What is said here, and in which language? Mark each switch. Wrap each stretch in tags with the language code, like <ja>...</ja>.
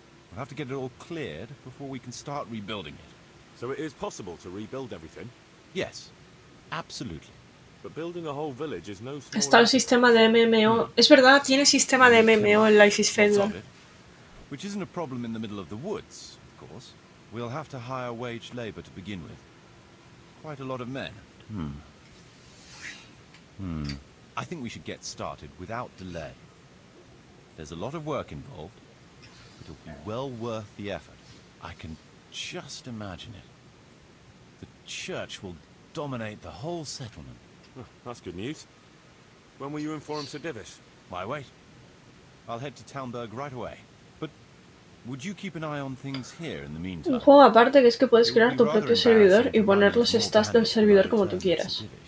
<es>Tenemos que tenerlo todo clarado antes de empezar a reconstruirlo.</es> <en>So it is possible to rebuild everything. Yes, absolutely. But building a whole village is no small.</en> <es>Está el sistema de MMO. Es verdad, tiene sistema de MMO en Life is Feudal.</es> <en>Which isn't a problem in the middle of the woods, of course. We'll have to hire wage labor to begin with. Quite a lot of men. I think we should get started without delay. There's a lot of work involved. It'll be well worth the effort. I can just imagine it. The church will dominate the whole settlement. Oh, that's good news. When will you inform Sir Divis? Why wait? I'll head to Townburg right away. But Would you keep an eye on things here in the meantime?</en> <es>Un juego aparte que es que puedes crear tu propio servidor y poner los stats del servidor como tú quieras.</es>